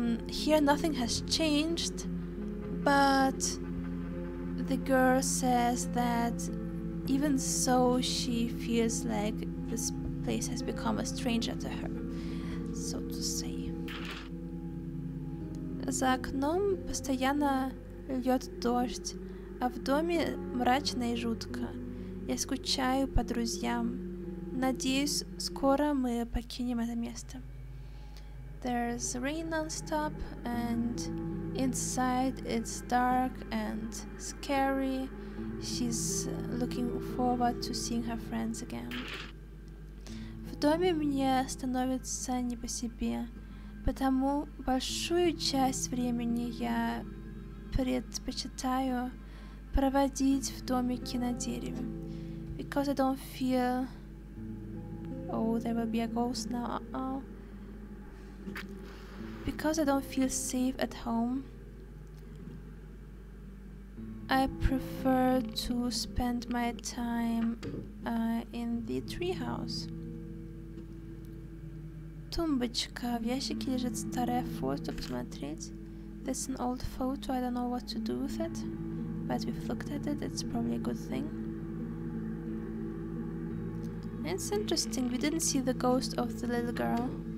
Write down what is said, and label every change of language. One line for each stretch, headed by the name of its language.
English: Here nothing has changed, but the girl says that even so she feels like this place has become a stranger to her, so to say.
Russian: За окном постоянно льет дождь, а в доме мрачно и жутко. Я скучаю по друзьям. Надеюсь, скоро мы покинем это место.
English: There's rain non-stop, and inside it's dark and scary. She's looking forward to seeing her friends again.
Russian: В доме мне становится не по себе. Потому большую часть времени я предпочитаю проводить в домике на дереве.
English: Because I don't feel... Oh, there will be a ghost now. Uh-oh. Because I don't feel safe at home, I prefer to spend my time in the treehouse.
Russian: Тумбочка, в ящике лежит старая фото, посмотреть.
English: That's an old photo, I don't know what to do with it. But we've looked at it, it's probably a good thing. It's interesting, we didn't see the ghost of the little girl.